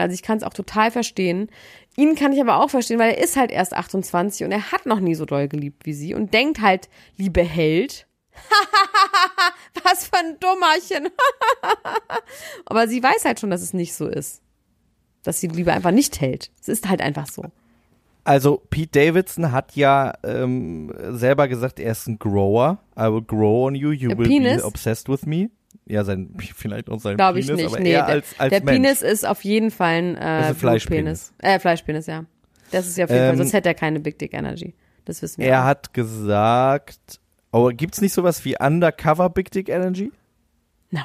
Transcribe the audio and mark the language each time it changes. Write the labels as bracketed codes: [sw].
[de] Also ich kann es auch total verstehen. Ihn kann ich aber auch verstehen, weil er ist halt erst 28 und er hat noch nie so doll geliebt wie sie und denkt halt, liebe Held, was für ein Dummerchen. Aber sie weiß halt schon, dass es nicht so ist, dass sie Liebe einfach nicht hält. Es ist halt einfach so. Also Pete Davidson hat ja selber gesagt, er ist ein Grower. [en] I will grow on you, you will be obsessed with me. [de] Ja, sein vielleicht auch sein Glaube Penis, ich nicht. Aber nee, eher als der Mensch. Penis ist auf jeden Fall ein, Fleischpenis. Fleischpenis, ja. Das ist ja auf jeden Fall, sonst hätte er keine Big Dick Energy. Das wissen wir. Er auch. Hat gesagt, gibt's nicht sowas wie Undercover Big Dick Energy? [en] No.